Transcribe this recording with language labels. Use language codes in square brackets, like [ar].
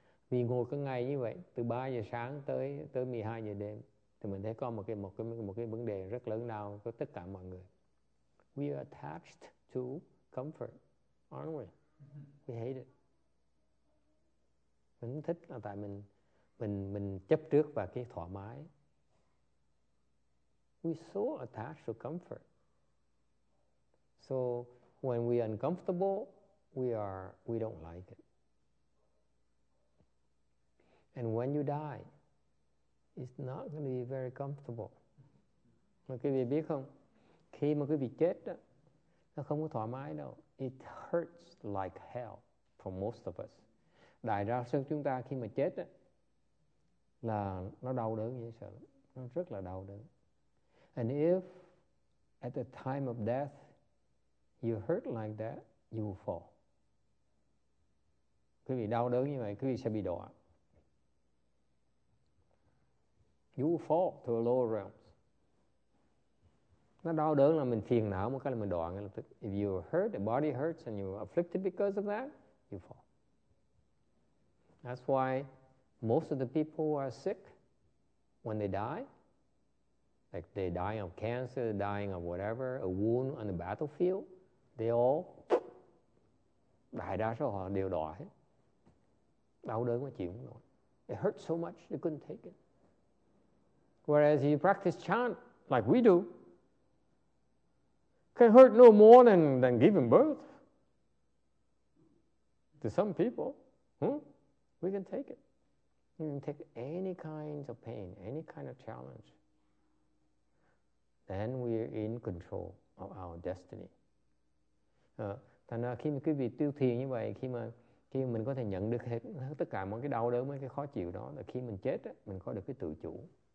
[vi] Vì ngồi cái ngày như vậy, từ 3 giờ sáng tới 12 giờ đêm, thì mình thấy có một cái vấn đề rất lớn nào của tất cả mọi người. [en] We are attached to comfort, aren't we? We hate it. [vi] Mình thích là tại mình chấp trước vào cái thoải mái. [en] We so attached to comfort. So when we are uncomfortable, we don't like it. And when you die, it's not going to be very comfortable. [vi] Mà quý vị biết không? Khi mà quý vị chết đó, nó không có thoải mái đâu. [en] It hurts like hell for most of us. [vi] Đại đa số chúng ta khi mà chết đó, là nó đau đớn như sợ. Nó rất là đau đớn. [en] And if at the time of death you hurt like that, you will fall. [vi] Quý vị đau đớn như vậy, quý vị sẽ bị đọa. [en] You will fall to a lower realm. [vi] Nó đau đớn là mình phiền não một cái là mình đọa ngay lập tức. [en] If you hurt, the body hurts and you are afflicted because of that, you fall. That's why most of the people who are sick, when they die, like they dying of cancer, dying of whatever, a wound on the battlefield, they all, [vi] đại đa số họ đều đọa hết. Đau đớn quá chịu không nổi. [en] It hurts so much, they couldn't take it. Whereas you practice chant like we do, can hurt no more than giving birth to some people. We can take it. We can take any kind of pain, any kind of challenge. Then we are in control of our destiny. [vi] Thành ra khi mà quý vị tu thiền như vậy, khi mà mình có thể nhận được hết tất cả mọi cái đau đớn, mấy cái khó chịu đó, là khi mình chết, mình có được cái tự chủ.